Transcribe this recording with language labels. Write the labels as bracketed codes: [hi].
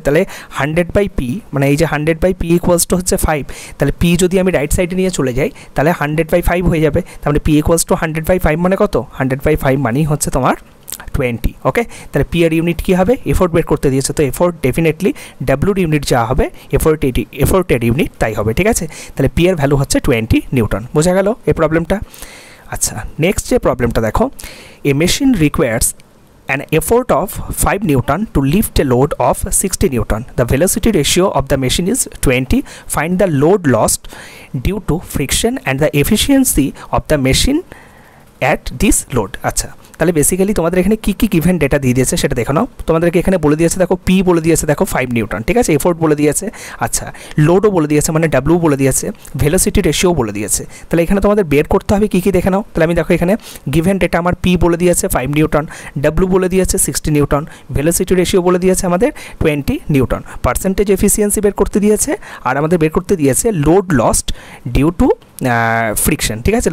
[bn] তাহলে 100 by P, মানে এই যে 100 বাই পি ইকুয়ালস টু হচ্ছে 5, তাহলে পি যদি আমি রাইট সাইডে নিয়ে চলে যাই, তাহলে 100/5 হয়ে যাবে, তার মানে পি ইকুয়ালস টু 100/5 মানে কত, 100/5 মানেই হচ্ছে তোমার 20। ওকে, তাহলে পি আর ইউনিট কী হবে, এফোর্ট বের করতে দিয়েছে, তো এফোর্ট ডেফিনেটলি ডাব্লুর ইউনিট যা হবে, এফোর্টেড ইউনিট তাই হবে, ঠিক আছে? তাহলে পি আর ভ্যালু হচ্ছে 20 নিউটন। বোঝা গেল এই প্রবলেমটা? আচ্ছা, নেক্সট যে প্রবলেমটা দেখো, [en] A machine requires an effort of 5 newton to lift a load of 60 newton. The velocity ratio of the machine is 20. Find the load lost due to friction and the efficiency of the machine at this load. Achha. [bn] তাহলে basically তোমাদের এখানে কী কী given data দিয়ে দিয়েছে সেটা দেখো না, তোমাদেরকে এখানে বলে দিয়েছে, দেখো পি বলে দিয়েছে, দেখো 5 নিউটন, ঠিক আছে? এফোর্ট বলে দিয়েছে, আচ্ছা, লোডও বলে দিয়েছে, মানে ডাব্লু বলে দিয়েছে, ভেলোসিটি রেশিও বলে দিয়েছে। তাহলে এখানে তোমাদের বের করতে হবে কী কী দেখে নাও। তাহলে আমি দেখো এখানে গিভেন ডেটা আমার পি বলে দিয়েছে 5 নিউটন, ডাব্লু বলে দিয়েছে 60 নিউটন, ভেলোসিটি রেশিও বলে দিয়েছে আমাদের 20 নিউটন, পার্সেন্টেজ এফিসিয়েন্সি বের করতে দিয়েছে, আর আমাদের বের করতে দিয়েছে load lost due to friction, ঠিক আছে?